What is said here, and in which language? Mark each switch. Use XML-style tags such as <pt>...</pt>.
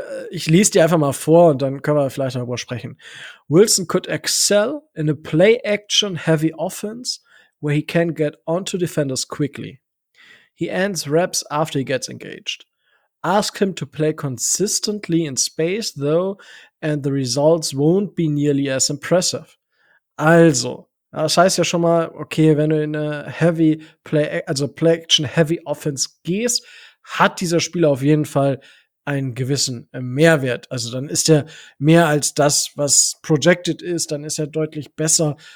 <de>Ich lese die einfach mal vor und dann können wir vielleicht darüber sprechen.</de> <en>Wilson could excel in a play-action heavy offense where he can get onto defenders quickly. He ends reps after he gets engaged. Ask him to play consistently in space, though, and the results won't be nearly as impressive.</en> <de>Also, das heißt ja schon mal, okay, wenn du in eine heavy play, also play-action-heavy Offense gehst, hat dieser Spieler auf jeden Fall einen gewissen Mehrwert. Also dann ist er mehr als das, was projected ist, dann ist er deutlich besser.</de>